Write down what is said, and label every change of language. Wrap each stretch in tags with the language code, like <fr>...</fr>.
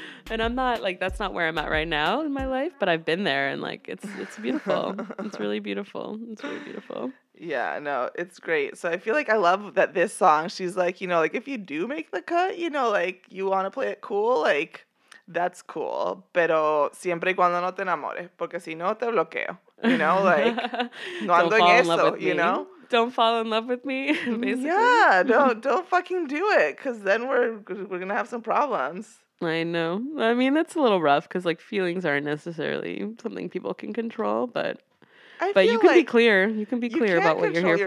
<en>And I'm not, like, that's not where I'm at right now in my life, but I've been there, and, like, it's beautiful. It's really beautiful. It's really beautiful. Yeah, no, it's great. So I feel like I love that this song, she's like, you know, like, if you do make the cut, you know, like, you want to play it cool, like, that's cool.</en> <es>Pero siempre y cuando no te enamores, porque si no te bloqueo,</es> <en>you know, like,</en> <es>no ando en eso,</es> <en>you know? Don't fall in love with me, basically. Yeah, don't fucking do it, because then we're going to have some problems. I know. I mean, that's a little rough because, like, feelings aren't necessarily something people can control, but you can like be clear. You can be clear about what you're here your</en>